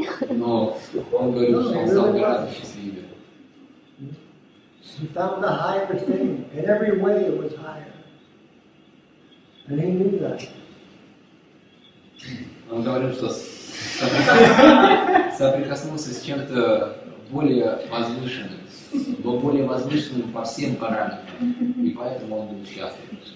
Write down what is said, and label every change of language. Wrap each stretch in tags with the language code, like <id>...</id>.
<ru>Но он говорил, что он стал гораздо счастливее.</ru> <en>He found the higher thing. In every way it was higher. And he knew that.</en> <ru>Он говорил, что соприкоснулся с чем-то более возвышенным, но более возвышенным по всем параметрам. И поэтому он был счастлив.</ru>